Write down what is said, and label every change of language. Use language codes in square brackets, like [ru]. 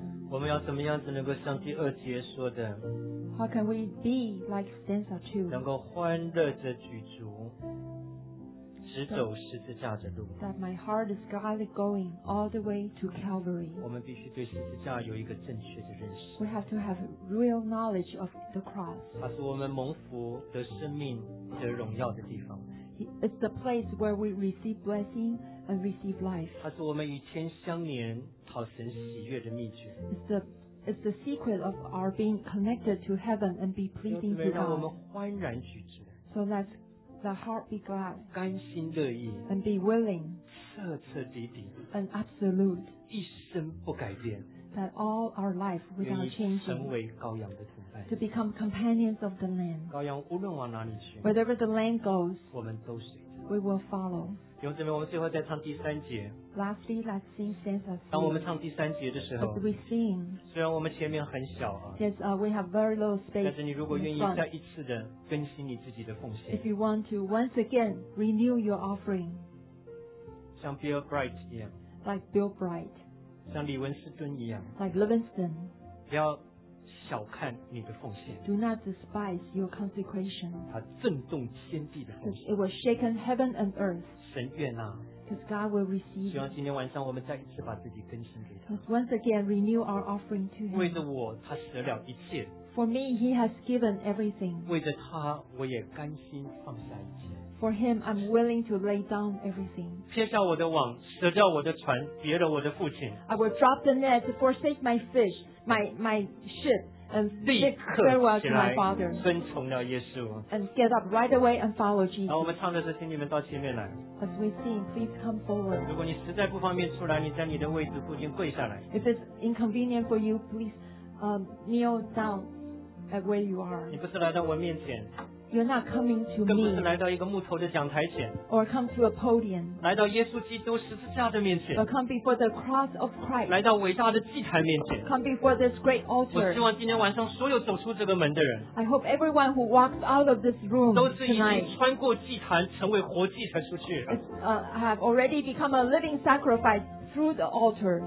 [zh] 我们要怎么样子能够像第二节说的， [en] How can we be like stanza two? [zh] 能够欢乐的举足，直走十字架的路。 [en] That my heart is gladly going all the way to Calvary. [zh] 我们必须对十字架有一个正确的认识。 [en] We have to have real knowledge of the cross. [zh] 它是我们蒙福得生命得荣耀的地方。 [en] It's the place where we receive blessing and receive life. [zh] 它是我们与天相连讨神喜悦的秘诀。 [en] It's the secret of our being connected to heaven and be pleasing to God. [zh] 让我们欢然举止。 [en] So let the heart be glad. [zh] 甘心乐意。 [en] And be willing. [zh] 彻彻底底。 [en] And absolute. [zh] 一生不改变。 [en] That all our life without changing. [zh] 成为羔羊的同伴。 [en] To become companions of the Lamb. [zh] 羔羊无论往哪里去。 [en] Wherever the Lamb goes. [zh] 我们都随。 [en] We will follow. [zh] 弟兄姊妹，我们最后再唱第三节。 [en] Lastly, let's sing stanza three. [zh] 当我们唱第三节的时候， [en] But we sing, [zh] 虽然我们前面很小啊， [en] Yes, we have very little space. [zh] 但是你如果愿意再一次的更新你自己的奉献， [en] If you want to once again renew your offering, [zh] 像 Bill Bright 一样， [en] Like Bill Bright, [zh] 像李文斯顿一样， [en] Like Livingston, [zh] 不要小看你的奉献， [en] Do not despise your consecration. [zh] 它震动天地的奉献， [en] It will shake heaven and earth. [zh] 神悦纳。 [en] Because God will receive. [zh] 希望今天晚上我们再一次把自己更新给他。 [en] Let's once again renew our offering to Him. [zh] 为着我，他舍了一切。 [en] For me, He has given everything. [zh] 为着他，我也甘心放下一切。 [en] For Him, I'm willing to lay down everything. [zh] 撇下我的网，舍掉我的船，别了我的父亲。 [en] I will drop the net to forsake my fish, my ship. And say farewell to my father. And get up right away and follow Jesus. [zh] 我们唱的时候，请你们到前面来。 [en] As we sing, please come forward. [zh] 如果你实在不方便出来，你在你的位置附近跪下来。 [en] If it's inconvenient for you, please kneel down at where you are. [zh] 你不是来到我面前。 [en] You're not coming to me. [zh] 更不是来到一个木头的讲台前。 [en] Or come to a podium. [zh] 来到耶稣基督十字架的面前。 [en] Or come before the cross of Christ. [zh] 来到伟大的祭坛面前。 [en] Come before this great altar. [zh] 我希望今天晚上所有走出这个门的人。 [en] I hope everyone who walks out of this room tonight. [zh] 都是已经穿过祭坛成为活祭才出去。 [en] Have already become a living sacrifice through the altar.